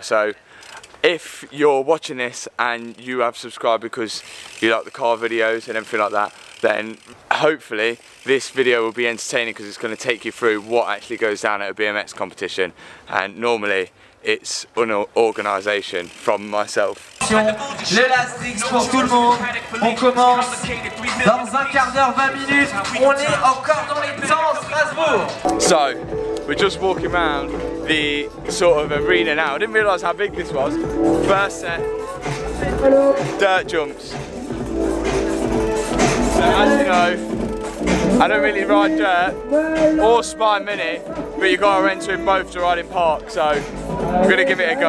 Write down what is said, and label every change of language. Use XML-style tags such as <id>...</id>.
<en>So if you're watching this and you have subscribed because you like the car videos and everything like that, then hopefully this video will be entertaining, because it's going to take you through what actually goes down at a BMX competition. And normally it's unorganisation from myself.</en> <fr>L'élastique pour tout le monde. On commence dans un quart d'heure, 20 minutes. On est encore dans les temps, Strasbourg.</fr> <en>So we're just walking around the sort of arena now. I didn't realise how big this was. First set. Hello. Dirt jumps. As you know, I don't really ride dirt or spine mini, but you've got to enter in both to ride in park, so I'm going to give it a go.</en>